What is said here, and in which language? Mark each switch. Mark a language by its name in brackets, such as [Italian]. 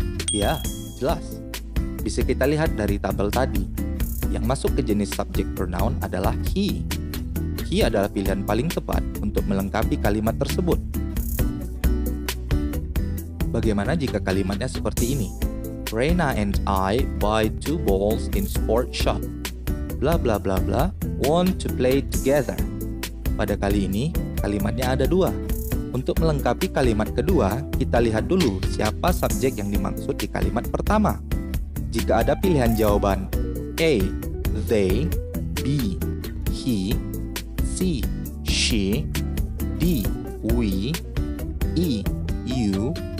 [Indonesian] Ya, jelas. Bisa kita lihat dari tabel tadi. Yang masuk ke jenis subject pronoun adalah he. He adalah pilihan paling tepat untuk melengkapi kalimat tersebut. Bagaimana jika kalimatnya seperti ini? [English] Raina and I buy two balls in sport shop. Bla bla bla bla, want to play together. [Indonesian] Pada kali ini, kalimatnya ada dua. Untuk melengkapi kalimat kedua, kita lihat dulu siapa subjek yang dimaksud di kalimat pertama. Jika ada pilihan jawaban A, they, B, [English] he, C, she, D, we, E, you.